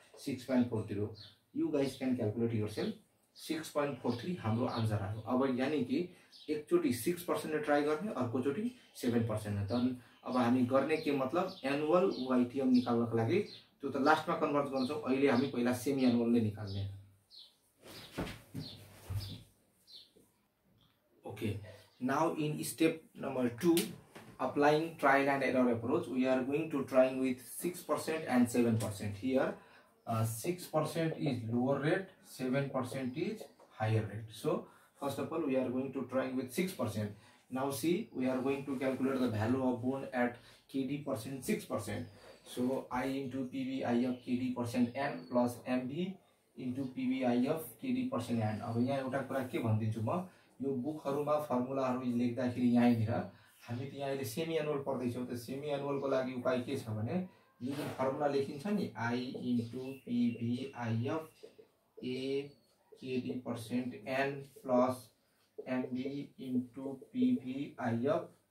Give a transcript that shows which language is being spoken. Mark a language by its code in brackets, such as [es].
[ne] 6.43 [en] you guys can calculate yourself [ne] 6.43 हाम्रो answer आयो अब यानि कि एकचोटि 6% ट्राई गर्ने अर्कोचोटि 7% अब हामी गर्ने के मतलब एनुअल वाइटिएम निकाल्नको लागि त्यो त लास्टमा कन्भर्ट गर्छौँ अहिले हामी पहिला सेमी एनुअल नै निकाल्ने okay [en] Now in step number 2, applying trial and error approach, we are going to try with 6% and 7%. Here, 6% is lower rate, 7% is higher rate. So, first of all, we are going to try with 6%. Now see, we are going to calculate the value of bond at KD percent 6%. So, I into PV I of KD percent N plus MB into PV I of KD percent N. [ne] अब यहाँ एउटा कुरा के भन्दिन्छु म यो बुकहरूमा फर्मुलाहरू लेख्दाखेरि यहीँनिर हामी त यहाँ अहिले सेमी एनुअल पढ्दैछौँ त सेमी एनुअलको लागि उपाय के छ भने यो जुन फर्मुला लेखिन्छ नि I into पिभीआइएफ A KD percent an plus MB into पिभीआइएफ